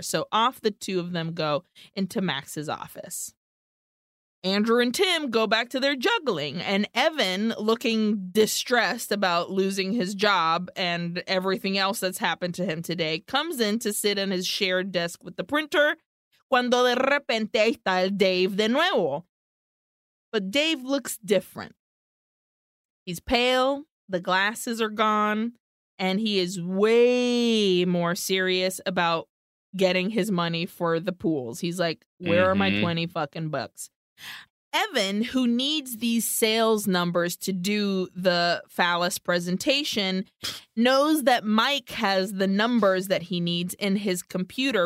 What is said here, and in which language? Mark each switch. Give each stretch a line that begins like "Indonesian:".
English: So off the two of them go into Max's office. Andrew and Tim go back to their juggling, and Evan, looking distressed about losing his job and everything else that's happened to him today, comes in to sit on his shared desk with the printer.
Spanish: Cuando de repente está el Dave de nuevo.
English: But Dave looks different. He's pale, the glasses are gone, and he is way more serious about getting his money for the pools. He's like, "Where are my 20 fucking bucks?" Evan, who needs these sales numbers to do the phallus presentation, knows that Mike has the numbers that he needs in his computer.